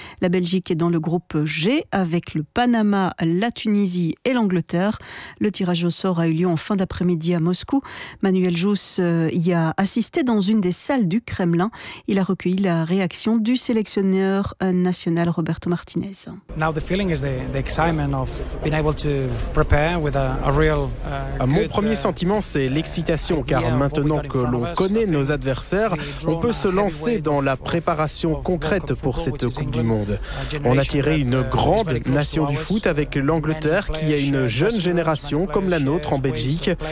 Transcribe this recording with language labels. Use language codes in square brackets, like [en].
[fr] La Belgique est dans le groupe G avec le Panama, la Tunisie et l'Angleterre. Le tirage au sort a eu lieu en fin d'après-midi à Moscou. Manuel Jous y a assisté dans une des salles du Kremlin. Il a recueilli la réaction du sélectionneur national Roberto Martinez. [en] Now the feeling is the excitement of being able to prepare with a real. [fr] Mon premier sentiment, c'est l'excitation, car maintenant que l'on connaît nos adversaires, on peut se lancer dans la préparation concrète pour cette Coupe du Monde. On a tiré une grande nation du foot avec l'Angleterre, qui a une jeune génération comme la nôtre en Belgique.